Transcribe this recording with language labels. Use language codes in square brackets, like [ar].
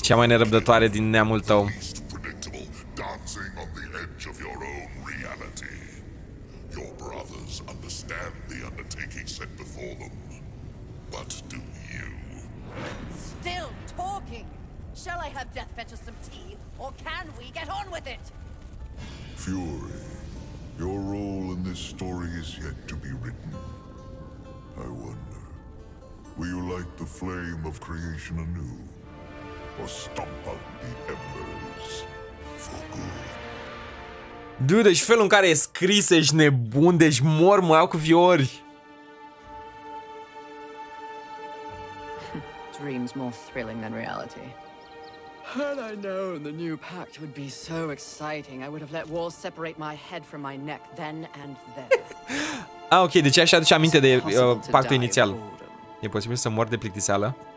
[ro] Cea mai nerăbdătoare din neamul tău. [en] Dancing on the edge of your own reality. Your brothers understand the undertaking set before them. But do you? Still talking. Shall I have Death fetch us some tea? Or can we get on with it? Fury, your role in this story is yet to be written. I wonder, will you light the flame of creation anew? Or stomp out the embers for good? [ro] Dude, deci felul în care e scris, ești nebun, deci mor, mă iau cu fiori. [en] Dreams more thrilling than reality. Had I known the new pact would be so exciting, I would have let walls separate my head from my neck then and there. [ro] Ah, ok, deci așa aduce aminte de pactul inițial. E posibil să mor de plictiseală?